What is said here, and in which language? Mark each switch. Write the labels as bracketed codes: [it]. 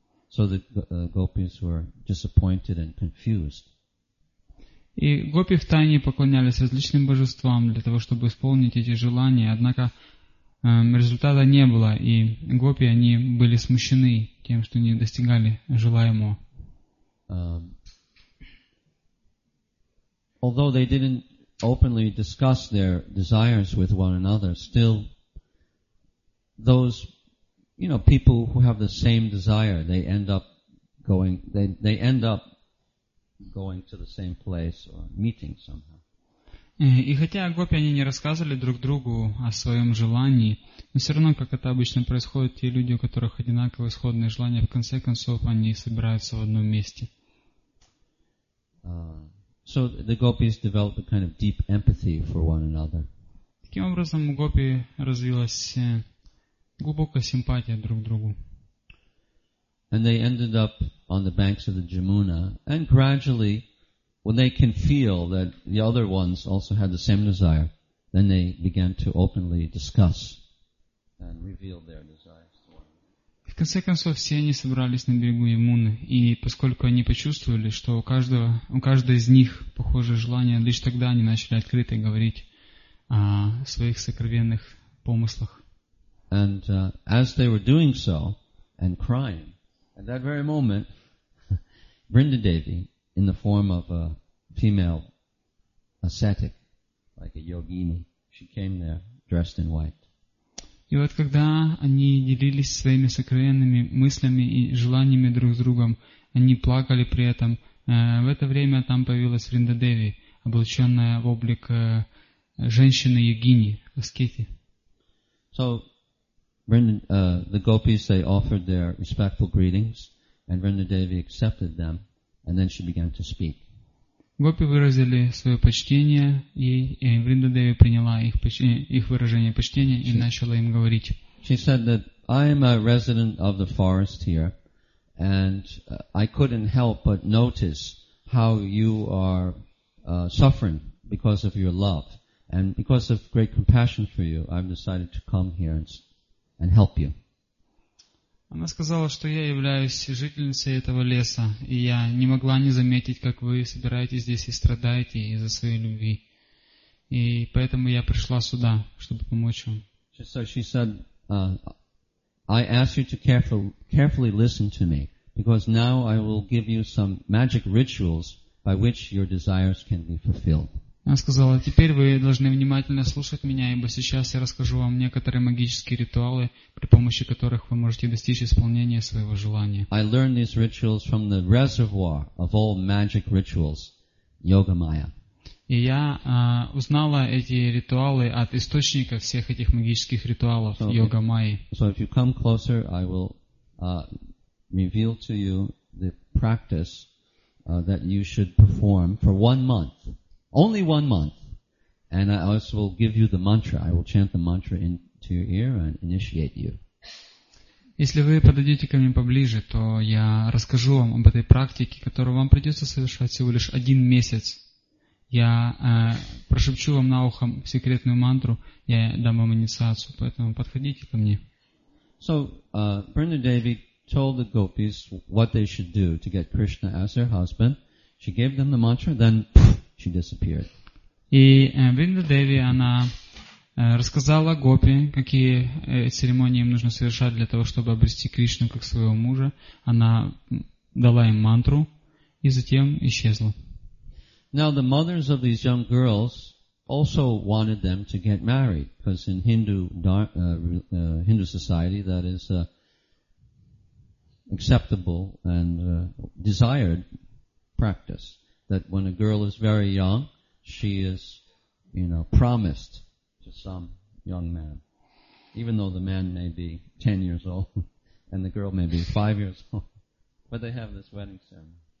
[en] So the gopis were disappointed and confused. [ru] И гопи втайне поклонялись различным божествам для того, чтобы исполнить эти желания, однако результата не было, и гопи, они были смущены тем, что не достигали желаемого. [en] Although they didn't openly discuss their desires with one another, still those, you know, people who have the same desire, they end up going to the same place or meeting somehow. [ru] И хотя гопи они не рассказывали друг другу о своем желании, но все равно, как это обычно происходит, те люди, у которых одинаковые исходные желания, в конце концов они собираются в одном месте. [en] So the gopis developed a kind of deep empathy for one another. [ru] Таким образом, у гопи развилась глубокая симпатия друг к другу. [en] And they ended up on the banks of the Jamuna, and gradually, when they can feel that the other ones also had the same desire, then they began to openly discuss and reveal their desires. [ru] В конце концов, все они собрались на берегу Ямуны, и поскольку они почувствовали, что у каждой из них похожее желание, лишь тогда они начали открыто говорить о своих сокровенных помыслах. [en] And as they were doing so and crying, at that very moment, Vrindadevi, in the form of a female ascetic, like a yogini, she came there dressed in white. [ru] И вот когда они делились своими сокровенными мыслями и желаниями друг с другом, они плакали при этом. В это время там появилась Вриндадеви, облаченная в облик женщины-йогини, аскети. [en] So, the gopis, they offered their respectful greetings, and Vrindadevi accepted them, and then she began to speak. [ru] Гопи выразили свое почтение, и Вриндадеви приняла их выражение почтения и начала им говорить. [en] She said that I am a resident of the forest here, and I couldn't help but notice how you are suffering because of your love, and because of great compassion for you, I've decided to come here and help you. [ru] Она сказала, что я являюсь жительницей этого леса, и я не могла не заметить, как вы собираетесь здесь и страдаете из-за своей любви. И поэтому я пришла сюда, чтобы помочь вам. [en] So she said, I ask you to carefully listen to me, because now I will give you some magic rituals by which your desires can be fulfilled. [ru] Она сказала, теперь вы должны внимательно слушать меня, ибо сейчас я расскажу вам некоторые магические ритуалы, при помощи которых вы можете достичь исполнения своего желания. [en] I learned these rituals from the reservoir of all magic rituals, Yogamaya. [ru] И я узнала эти ритуалы от источника всех этих магических ритуалов, Йогамаи. [en] So if you come closer, I will reveal to you the practice that you should perform for 1 month. Only 1 month, and I also will give you the mantra. I will chant the mantra into your ear and initiate you. [ru] Если вы подойдете ко мне поближе, то я расскажу вам об этой практике, которую вам придется совершать всего лишь 1 месяц. Я прошепчу вам на ухо секретную мантру, я дам вам инициацию, поэтому подходите ко мне. [en] So, Vrindadevi told the gopis what they should do to get Krishna as their husband. She gave them the mantra, then... She disappeared. [ru] И Вриндадеви, она рассказала Гопи, какие церемонии им нужно совершать для того, чтобы обрести Кришну как своего мужа. Она дала им мантру и затем исчезла. [en] Now the mothers of these young girls also wanted them to get married, because in Hindu society that is acceptable and desired practice, that when a girl is very young, she is, you know, promised to some young man, even though the man may be 10 years old and the girl may be 5 years old, but they have this wedding ceremony.